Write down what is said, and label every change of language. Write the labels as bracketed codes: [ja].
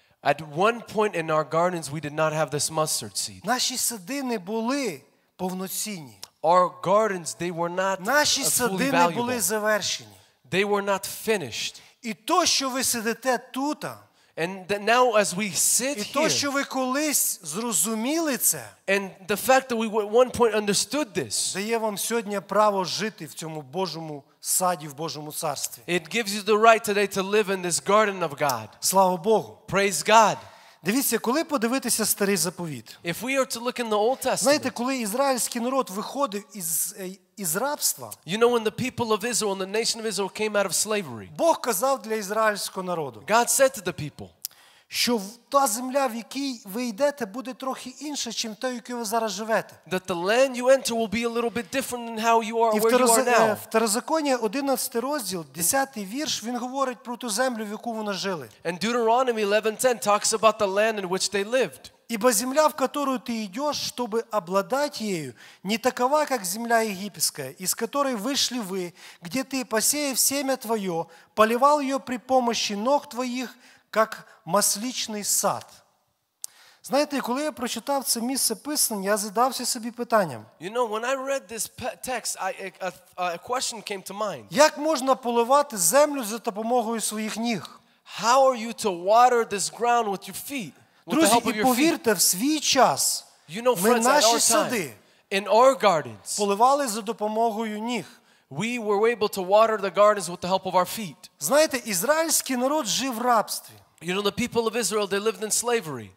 [en] At one point in our gardens, we did not have this mustard seed. [uk] Наші сади не були повноцінні. [en] Our gardens, they were not fully valuable. [uk] Наші сади не були завершені. [en] They were not finished. [uk] І то, що ви сидите тут, [en] and that now as we sit [uk] і то, що ви колись зрозуміли це, [en] and the fact that we at one point understood this, [uk] дає вам сьогодні право жити в цьому Божому саді, в Божому царстві. [en] It gives you the right today to live in this garden of God. [uk] Слава Богу. [en] Praise God. [uk] Дивіться, коли подивитися Старий Заповіт. [en] If we are to look in the Old Testament. [uk] Знаєте, коли ізраїльський народ виходив із рабства. [en] You know when the people of Israel and the nation of Israel came out of slavery. [uk] Бог казав для ізраїльського народу. [en] God said to the people. [uk] Що та земля, в якій ви йдете, буде трохи інша, чим та, в якій ви зараз живете. [en] That the land you enter will be a little bit different than how you are where you are now. [uk] В Второзаконі 11 розділ, 10 вірш, він говорить про ту землю, в яку вони жили. [en] And Deuteronomy 11:10 talks about the land in which they lived. [ru] Ибо земля, в которую ты идешь, чтобы обладать ею, не такова, как земля египетская, из которой вышли вы, где ты, посеяв семя твое, поливал ее при помощи ног твоих, как масличный сад. [uk] Знаете, коли я прочитав це місце писання, я задався собі питанням. [en] You know, when I read this text, a question came to mind. [uk] Як можна поливати землю за допомогою своїх ніг? [en] How are you to water this ground with your feet? [uk] Друзі, і повірте, в свій час ми наші сади поливали за допомогою ніг. [en] We were able to water the gardens with the help of our feet. [uk] Знаєте, ізраїльський народ жив в рабстві. [en] You know, the people of Israel, they lived in slavery.